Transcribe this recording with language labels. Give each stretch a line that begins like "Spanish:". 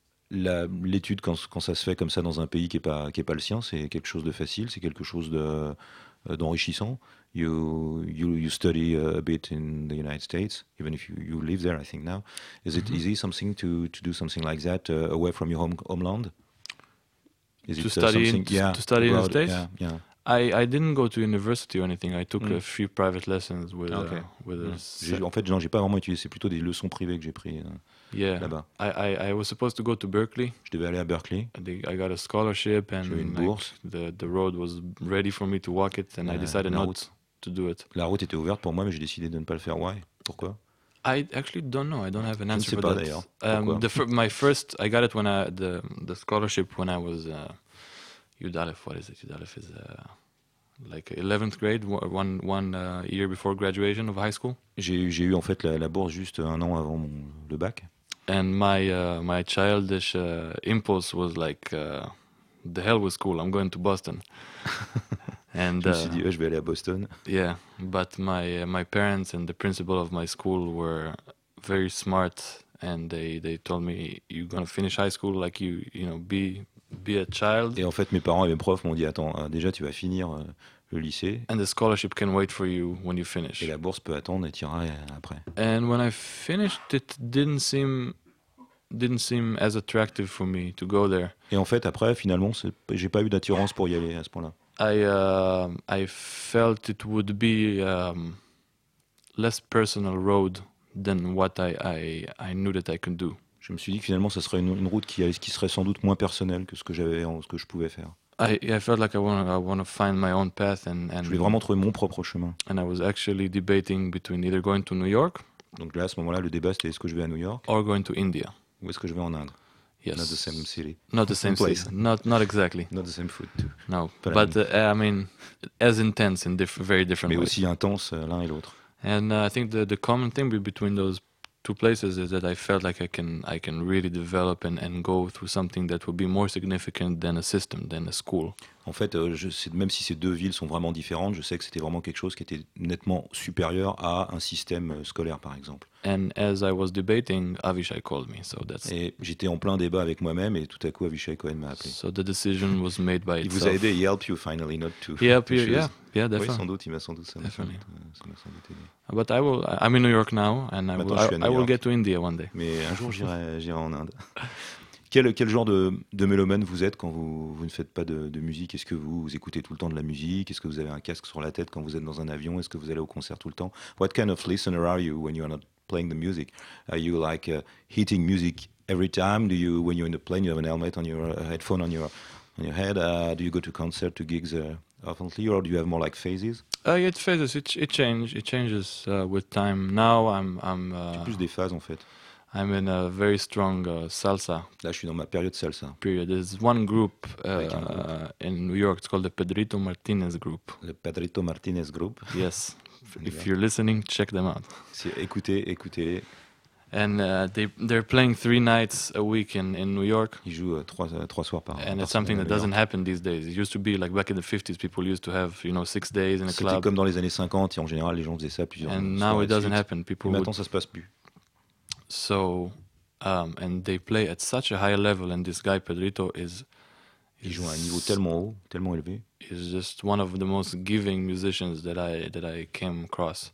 French: L'étude quand ça se fait comme ça dans un pays qui est pas le sien, c'est quelque chose de facile, c'est quelque chose d'enrichissant.
English: You study a bit in the United States, even if you live there, I think now. Is it easy something to do something like that away from your homeland? To study in the States? Yeah. I didn't go to university or anything. I took a few private lessons with. Okay.
French: J'ai pas vraiment étudié. C'est plutôt des leçons privées que j'ai pris.
English: Yeah,
French: là-bas.
English: I was supposed to go to Berkeley.
French: Je devais aller à Berkeley.
English: I got a scholarship and
French: j'ai eu une bourse.
English: The road was ready for me to walk it and I decided not to do it.
French: La route était ouverte pour moi mais j'ai décidé de ne pas le faire.
English: Why? Pourquoi? I actually don't know. I don't have an answer.
French: Je ne sais pas
English: that.
French: D'ailleurs.
English: My first, I got it when I the scholarship when I was Yudalef. What is it? Yudalef is like 11th grade, one year before graduation of high school. J'ai eu en fait la bourse juste un an avant le bac. And my childish impulse was like, the hell with school, I'm going to Boston.
French: And je me suis dit, je vais aller à Boston.
English: Yeah, but my parents and the principal of my school were very smart, and they told me, you're going to finish high school, like you know, be a child.
French: Et en fait, mes parents et mes profs m'ont dit, attends, déjà tu vas finir le lycée.
English: And the scholarship can wait for you when you finish.
French: Et la bourse peut attendre et t'ira après.
English: And when I finished, it didn't seem as attractive for me to go there.
French: Et en fait, après, finalement, j'ai pas eu d'attirance pour y aller à ce point-là.
English: I felt it would be less personal road than what I knew that I could do.
French: Je me suis dit que finalement, ça serait une route qui serait sans doute moins personnelle que ce que je pouvais faire.
English: I felt like I want to find my own path and
French: je voulais vraiment trouver mon propre chemin.
English: And I was actually debating between either going to New York.
French: Donc là, à ce moment-là, le débat c'était est-ce que je vais à New York?
English: Or going to India.
French: Ou est-ce que je vais en Inde?
English: Yes. Not the same city. Not the same place. Not exactly. Not the same food too. No. But I mean, as intense in very different
French: mais
English: ways.
French: Mais aussi intense l'un et l'autre.
English: And I think the common thing between those two places is that I felt like I can really develop and go through something that would be more significant than a system, than a school.
French: En fait, même si ces deux villes sont vraiment différentes, je sais que c'était vraiment quelque chose qui était nettement supérieur à un système scolaire, par exemple.
English: And as I was debating, Avishai called me, so that's.
French: Et j'étais en plein débat avec moi-même et tout à coup Avishai Cohen m'a appelé.
English: So the decision was made by
French: il
English: itself.
French: Vous a aidé,
English: he helped you finally not to. He helped you, yeah, definitely.
French: Oui, sans doute, il m'a sans doute ça.
English: Definitely.
French: Ça m'a aidé.
English: But I'm in New York now, and
French: maintenant,
English: I will get to India one day.
French: Mais un jour, j'irai en Inde. Quel genre de mélomane vous êtes quand vous ne faites pas de musique? Est-ce que vous écoutez tout le temps de la musique? Est-ce que vous avez un casque sur la tête quand vous êtes dans un avion? Est-ce que vous allez au concert tout le temps?
English: What kind of listener are you when you are not playing the music? Are you like hitting music every time? Do you, when you're in a plane, you have an helmet on your headphone on your head? Do you go to concert, to gigs oftenly, or do you have more like phases? It's phases. It changes with time. Now I'm
French: plus des phases en fait.
English: I'm in a very strong salsa.
French: Là, je suis dans ma période salsa.
English: Period. There's one group in New York. It's called the Pedrito Martinez Group.
French: Le Pedrito Martinez Group.
English: Yes. If you're listening, check them out.
French: Si, écoutez.
English: And they're playing three nights a week in New York.
French: Ils jouent trois soirs par an.
English: And it's something that doesn't happen these days. It used to be like back in the 50s, people used to have, you know, 6 days in a club.
French: C'était comme dans les années 50, et en général, les gens faisaient ça plusieurs
English: fois. And now it doesn't happen.
French: People. Maintenant, ça se passe plus.
English: So, and they play at such a high level, and this guy Pedrito is
French: joue à un niveau tellement haut, tellement élevé.
English: Is just one of the most giving musicians that I came across.